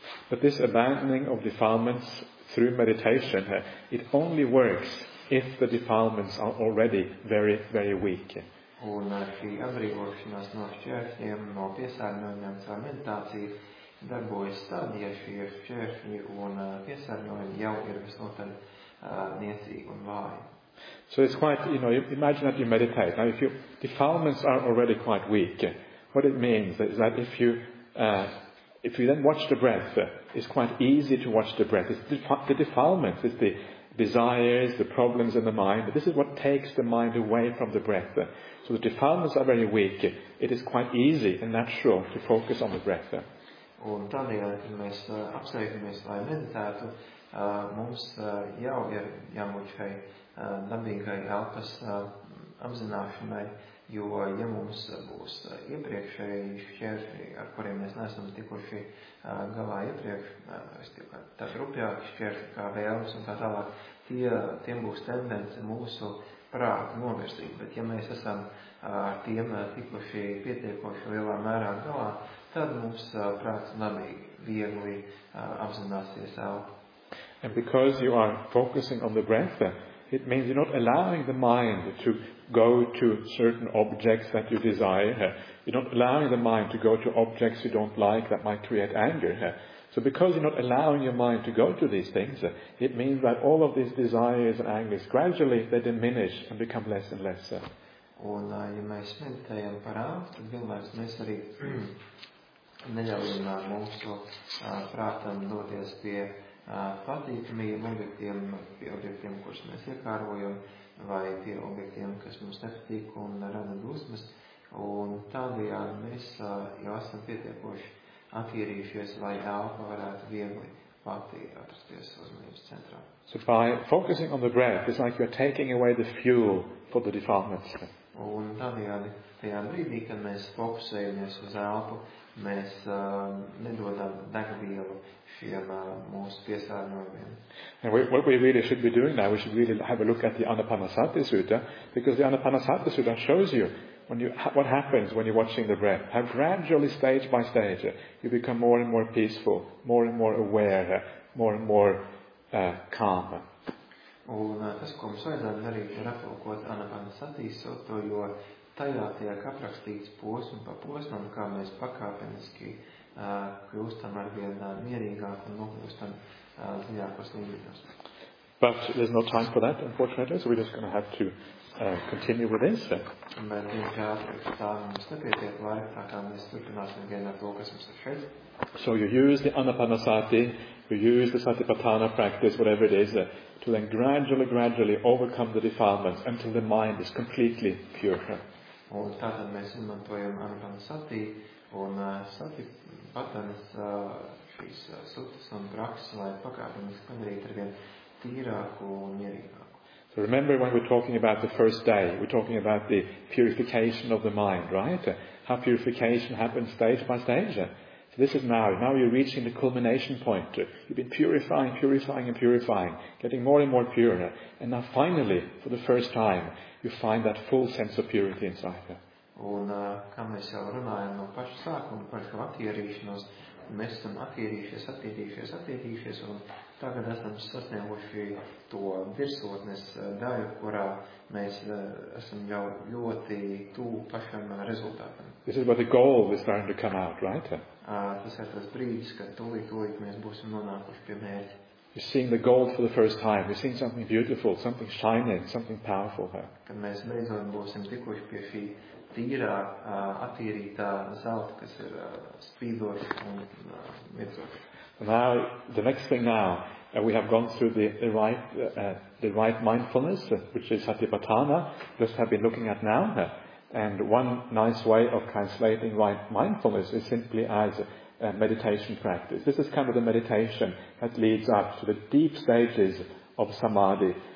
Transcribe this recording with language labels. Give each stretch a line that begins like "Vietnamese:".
English: But this abandoning of defilements through meditation, it only works if the defilements are already very, very weak.
Latvian: Un šī atbrīvošanās no šķēršļiem, no piesārņojumiem savu meditāciju darbojas tad, ja šie šķēršļi un piesārņojumi jau ir visnotaļ niecīgi un vāji.
English: So it's quite, you know, imagine that you meditate. Now if your defilements are already quite weak, what it means is that if you If you then watch the breath, it's quite easy to watch the breath. It's the defilement, it's the desires, the problems in the mind. But this is what takes the mind away from the breath. So the defilements are very weak. It is quite easy and natural to focus on the breath.
Latvian: Un tādēļ, kad mēs apsveikamies, lai meditētu, mums jau ir jāmuļ šai dabīgai elpas apzināšanai, jo, ja mums būs iepriekšēji šķēršļi, ar kuriem mēs neesam tikuši galā iepriekš, tā rupjāki šķēršļi kā vēlums un tā tālāk, tiem būs tendence mūsu prātu novirzīt, bet ja mēs esam ar tiem tikuši pietiekoši lielā mērā galā, tad mums prāts nabīgi viegli apzināsies elpu.
English: And because you are focusing on the breath, it means you're not allowing the mind to go to certain objects that you desire. You're not allowing the mind to go to objects you don't like that might create anger. So because you're not allowing your mind to go to these things, it means that all of these desires and angers, gradually they diminish and become less and less.
Latvian: Un, ja mēs meditējam par elpu, tad vienmēr mēs arī neļaujam mūsu prātam doties pie patīkamiem objektiem, pie objektiem, kurus mēs iekārojam, vai pie objektiem, kas mums nepatīk un rada dusmas. Un tādējādi mēs jau esam pietiekoši attīrījušies, lai elpa varētu viegli pati atrasties uzmanības centrā.
English: So by focusing on the breath, it's like you're taking away the fuel for the defilements.
Latvian: Un tādējādi, tajā brīdī, kad mēs fokusējamies uz elpu, mēs nedodam degvielu šiem mūsu piesārņojumiem.
English: And what we really should be doing now, we should really have a look at the Anapanasati Sutta, because the Anapanasati Sutta shows you what happens when you're watching the breath, how gradually, stage by stage, you become more and more peaceful, more and more aware, more and more calm.
Latvian: Un tas, ko mums vajadzētu darīt, ir aplūkot Anapanasati Sutta, jo tajā tiek aprakstīts posmu pa posmam, kā mēs pakāpeniski kļūstam arvien mierīgāk un nokļūstam dziļākos līmeņos.
English: But there's no time for that, unfortunately, so we're just going to have to continue with this.
Latvian: Bet vienkārši tā mums nepietiek laika, tā kā mēs turpināsim vien ar to, kas mums ir šeit.
English: So you use the Anapanasati, you use the Satipatthana practice, whatever it is, to then gradually overcome the defilements until the mind is completely pure.
Latvian: Un tātad mēs izmantojam Anapanasati un Satipatthanas šīs sutras un praksas, lai pakāpeniski padarītu arvien tīrāku un mierīgāku.
English: So remember when we're talking about the first day, we're talking about the purification of the mind, right? How purification happens stage by stage. So this is now you're reaching the culmination point. You've been purifying, getting more and more pure. And now finally, for the first time, you find that full sense of purity inside.
Latvian: Un, kā mēs jau runājam no paša sākuma par šo attīrīšanos, mēs esam attīrīšies, un tagad esam sasnieguši to virsotnes daļu, kurā mēs esam jau ļoti tūl pašam rezultātam.
English: This is where the goal is starting to come out, right?
Latvian: Tas ir tas brīdis, kad tūlīt mēs būsim nonākuši pie mērķa.
English: You're seeing the gold for the first time. You're seeing something beautiful, something shining, something powerful.
Latvian: Kad mēs beidzot būsim tikuši pie šī tīrā, attīrītā zelta, kas ir spīdoši un mirdzoši.
English: Now, the next thing now, we have gone through the right mindfulness, which is Satipatthana, just have been looking at now. And one nice way of translating right mindfulness is simply as a meditation practice. This is kind of the meditation that leads up to the deep stages of samadhi.